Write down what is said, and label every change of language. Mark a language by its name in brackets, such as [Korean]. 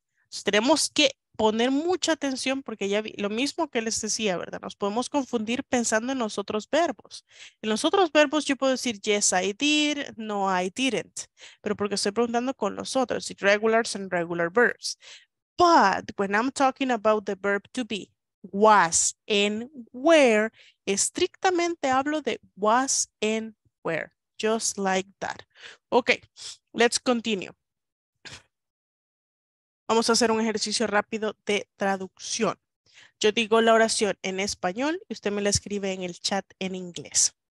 [Spanish] Entonces, tenemos que poner mucha atención porque ya vi lo mismo que les decía, ¿verdad? Nos podemos confundir pensando en los otros verbos. En los otros verbos yo puedo decir [English] yes, I did, no, I didn't. [Spanish] Pero porque estoy preguntando con los otros, [English] regulars and regular verbs. But when I'm talking about the verb to be, was and were, [Spanish] estrictamente hablo de [English] was and were, just like that. Okay, let's continue. [Spanish] Vamos a hacer un ejercicio rápido de traducción. Yo digo la oración en español y usted me la escribe en el chat en inglés.